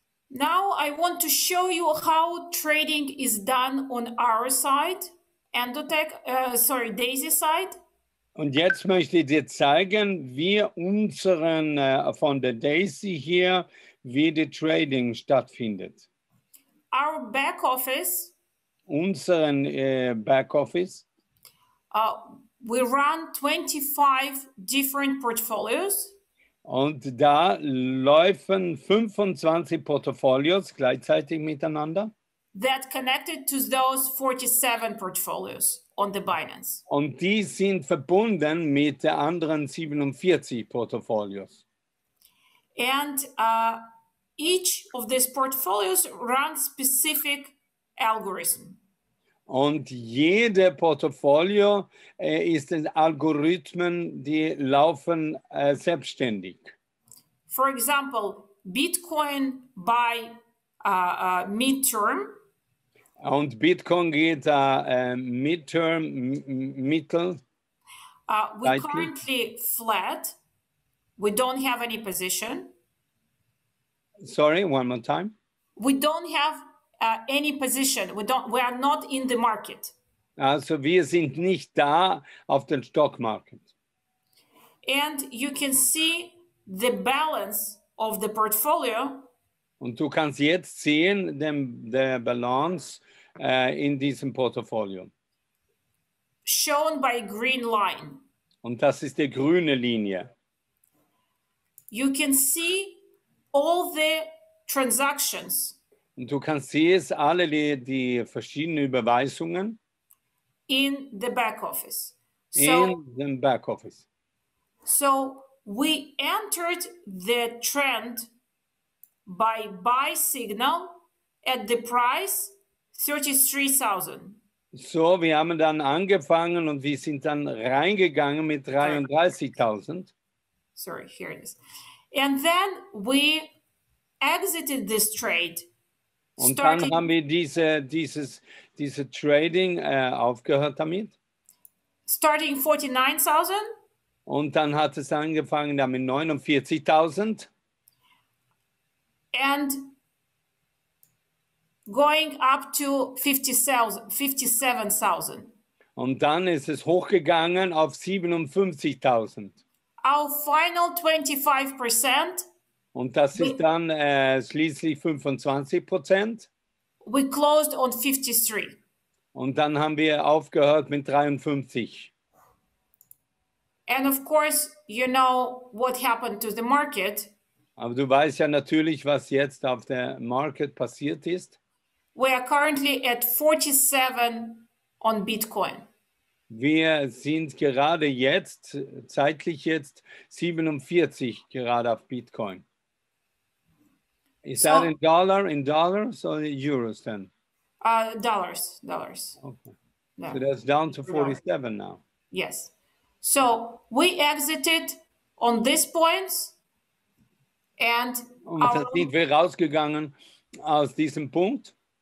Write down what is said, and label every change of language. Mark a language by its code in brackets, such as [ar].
[en] Now I want to show you how trading is done on our side, ENDOTECH, DAISY side. [de] Und jetzt möchte ich dir zeigen, wie unseren von der DAISY hier, wie die Trading stattfindet. [en] Our back office. [de] Unseren back office. [en] We run 25 different portfolios. [de] Und da laufen 25 Portfolios gleichzeitig miteinander. [en] That connected to those 47 portfolios on the Binance. [de] Und die sind verbunden mit den anderen 47 Portfolios. [en] And each of these portfolios runs specific algorithm. [de] Und jede Portfolio ist ein Algorithmen, die laufen selbstständig. [en] For example, Bitcoin by midterm. [de] Und Bitcoin geht midterm, mittel. [en] We're likely currently flat. We don't have any position. Sorry, one more time. We don't have any position. We are not in the market. [de] Also wir sind nicht da auf dem Stock Market. [en] And you can see the balance of the portfolio. [de] Und du kannst jetzt sehen [en] the balance [de] in diesem Portfolio. [en] Shown by green line. [de] Und das ist die grüne Linie. [en] You can see all the transactions. [de] Und du kannst sehen, alle die verschiedenen Überweisungen. [en] In the back office. In the back office. So we entered the trend by buy signal at the price 33,000. [de] So, wir haben dann angefangen und wir sind dann reingegangen mit 33,000. [en] Sorry, here it is. And then we exited this trade. [de] Und dann haben wir diese Trading aufgehört damit. [en] Starting 49,000. [de] Und dann hat es angefangen damit 49,000. [en] And going up to 57,000. [de] Und dann ist es hochgegangen auf 57,000. [en] Our final 25%. [de] Und das ist dann schließlich 25%. [en] We closed on 53. [de] Und dann haben wir aufgehört mit 53. [en] And of course, you know what happened to the market. [de] Aber du weißt ja natürlich, was jetzt auf der Market passiert ist. [en] We are currently at 47 on Bitcoin. [de] Wir sind gerade jetzt, zeitlich jetzt, 47 gerade auf Bitcoin. [en] Is so, that in dollars or euros then? Dollars. Okay. So that's down to 47 now. Yes. So we exited on these points and [de] sind wir rausgegangen aus diesem Punkt.